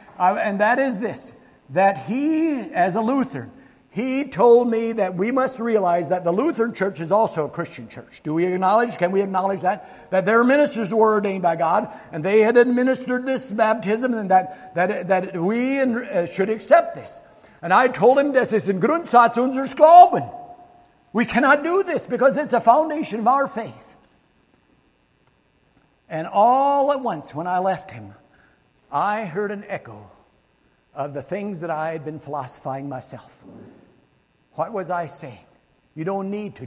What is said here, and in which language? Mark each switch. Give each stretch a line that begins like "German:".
English: And that is this, that he, as a Lutheran, he told me that we must realize that the Lutheran Church is also a Christian church. Do we acknowledge, can we acknowledge that? That their ministers were ordained by God, and they had administered this baptism, and that we should accept this. And I told him,
German: das ist ein Grundsatz unseres Glaubens.
English: We cannot do this because it's a foundation of our faith. And all at once, when I left him, I heard an echo of the things that I had been philosophizing myself. What was I saying? You don't need to.